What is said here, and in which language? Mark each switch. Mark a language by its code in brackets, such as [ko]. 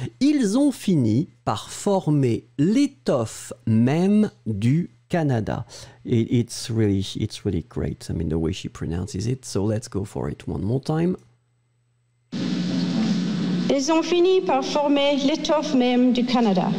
[fr] Ils ont fini par former l'étoffe même du Canada. [en] It's really great, I mean, the way she pronounces it. So let's go for it one more time. [fr] Ils ont fini par former l'étoffe même du Canada.